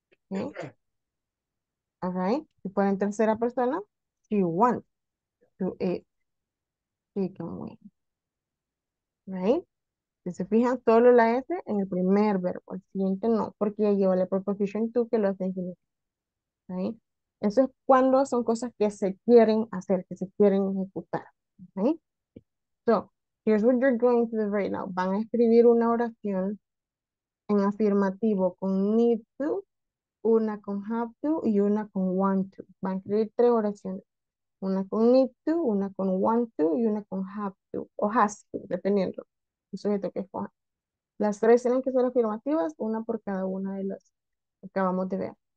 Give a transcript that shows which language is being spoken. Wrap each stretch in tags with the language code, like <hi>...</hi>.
<en>¿Okay? Alright.</en> <es>Si fuera en tercera persona,</es> <en>she wants to eat chicken wings. Right?</en> <es>Si se fijan, solo la S en el primer verbo. El siguiente no, porque ya lleva la preposition to que lo hace en. ¿Sí? Eso es cuando son cosas que se quieren hacer, que se quieren ejecutar. ¿Sí?</es> <en>So, here's what you're going to do right now.</en> <es>Van a escribir una oración en afirmativo con need to, una con have to y una con want to. Van a escribir tres oraciones. Una con need to, una con want to y una con have to. O has to, dependiendo del sujeto que escoja. Las tres tienen que ser afirmativas, una por cada una de las que acabamos de ver.</es>